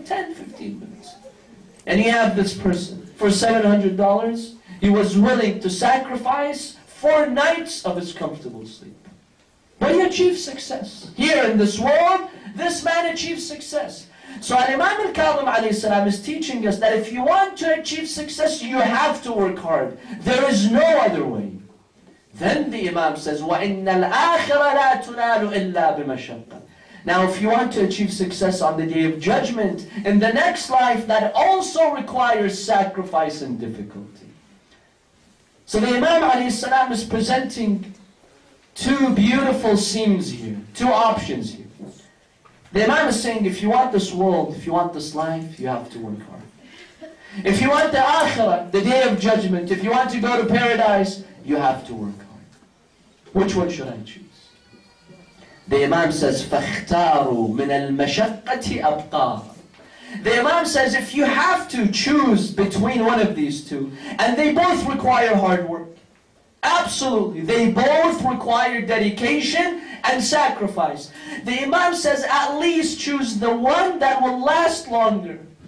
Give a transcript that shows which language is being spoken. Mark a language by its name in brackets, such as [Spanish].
[English] 10-15 minutes. And you have this person, for $700, he was willing to sacrifice four nights of his comfortable sleep. But he achieved success. Here in this world, this man achieved success. So Imam al-Kadhim alayhi salam is teaching us that if you want to achieve success, you have to work hard. There is no other way. Then the Imam says, [Arabic] وَإِنَّ الْآخِرَ لَا تُنَالُ إِلَّا بِمَشَقَّةٍ. [English] Now if you want to achieve success on the Day of Judgment, in the next life, that also requires sacrifice and difficulty. So the Imam alayhi salam is presenting two beautiful scenes here, two options here. The Imam is saying, if you want this world, if you want this life, you have to work hard. If you want the Akhirah, the Day of Judgment, if you want to go to paradise, you have to work hard. Which one should I choose? The Imam says, [Arabic] فَاخْتَارُوا مِنَ الْمَشَقَّةِ أَبْقَى. [English] The Imam says, if you have to choose between one of these two, and they both require hard work, absolutely, they both require dedication and sacrifice, the Imam says, at least choose the one that will last longer.